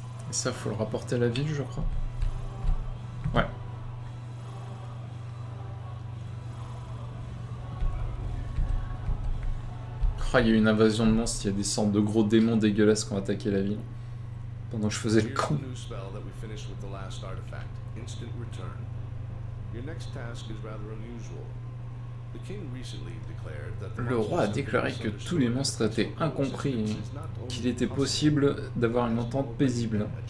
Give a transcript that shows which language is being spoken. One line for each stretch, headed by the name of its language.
French: Et ça, faut le rapporter à la ville, je crois. Ouais. Il y a eu une invasion de monstres, il y a des sortes de gros démons dégueulasses qui ont attaqué la ville. Pendant que je faisais le con.
English: Le spell that we finished with the last artifact, instant return. Your next task is rather unusual. The king recently declared that
French: le roi a déclaré que tous les monstres étaient incompris, qu'il était possible d'avoir une entente paisible.